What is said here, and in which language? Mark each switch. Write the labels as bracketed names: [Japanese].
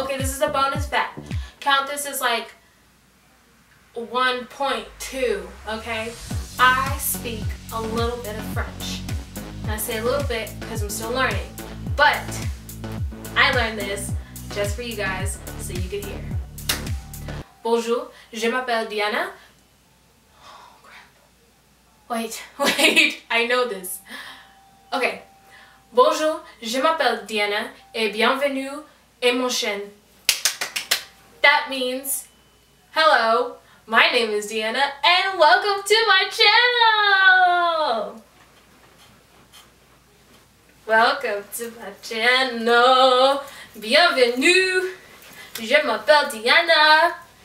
[English] Okay, this is a bonus fact. Count this as like 1.2, okay? I speak a little bit of French. And I say a little bit because I'm still learning. But I learned this just for you guys so you could hear. [French] Bonjour, je m'appelle Diana. [English] Oh crap. Wait, I know this. Okay. [French] Bonjour, je m'appelle Diana et bienvenue et mon chien. [English] That means, hello, my name is Diana and welcome to my channel! Welcome to my channel! [French] Bienvenue! Je m'appelle Diana!